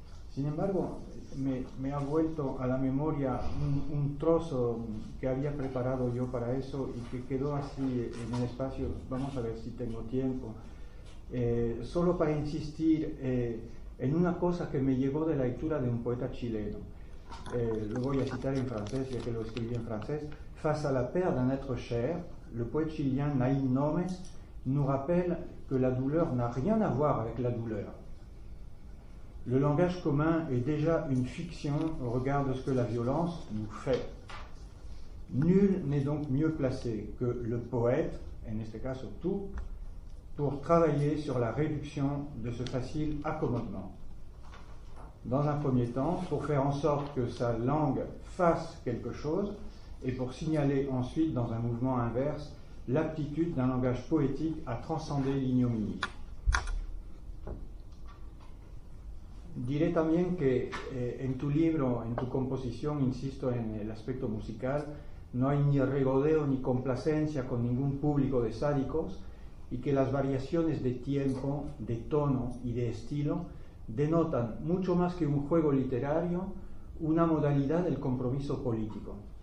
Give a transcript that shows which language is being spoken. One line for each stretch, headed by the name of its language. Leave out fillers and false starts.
Spanish: Sin embargo, me ha vuelto a la memoria un trozo que había preparado yo para eso y que quedó así en el espacio. Vamos a ver si tengo tiempo. Solo para insistir en una cosa que me llegó de la lectura de un poeta chileno. Lo voy a citar en francés, ya que lo escribí en francés.
French: Face à la perte d'un être cher, le poète chilien Naïm Nomes nous rappelle que la douleur n'a rien à voir avec la douleur. Le langage commun est déjà une fiction au regard de ce que la violence nous fait. Nul n'est donc mieux placé que le poète, et
Spanish: en este caso
French: tout, pour travailler sur la réduction de ce facile accommodement. Dans un premier temps, pour faire en sorte que sa langue fasse quelque chose, et pour signaler ensuite, dans un mouvement inverse, l'aptitude d'un langage poétique à transcender l'ignominie.
Spanish: Diré también que en tu libro, en tu composición, insisto en el aspecto musical, no hay ni regodeo ni complacencia con ningún público de sádicos y que las variaciones de tiempo, de tono y de estilo denotan, mucho más que un juego literario, una modalidad del compromiso político.